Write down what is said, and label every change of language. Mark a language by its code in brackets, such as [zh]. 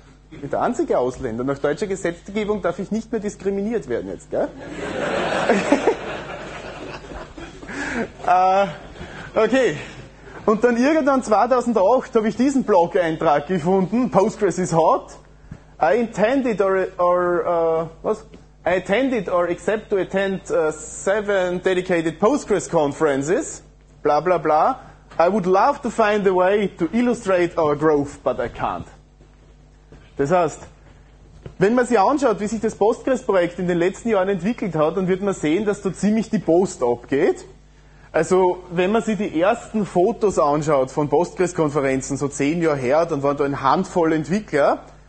[de] Ich bin der einzige Ausländer. Nach deutscher Gesetzgebung darf ich nicht mehr diskriminiert werden jetzt, gell? Okay. Und dann irgendwann 2008 habe ich diesen Blog-Eintrag gefunden, [en] Postgres is hot. I attended or expect to attend 7 dedicated Postgres conferences, bla bla bla. I would love to find a way to illustrate our growth, but I can't. [de] Das heißt, wenn man sich anschaut, wie sich das Postgres-Projekt in den letzten Jahren entwickelt hat, dann wird man sehen, dass da ziemlich die Post abgeht. Also, wenn man sich die ersten Fotos anschaut von Postgres-Konferenzen, so 10 Jahre her, dann waren da eine Handvoll Entwickler.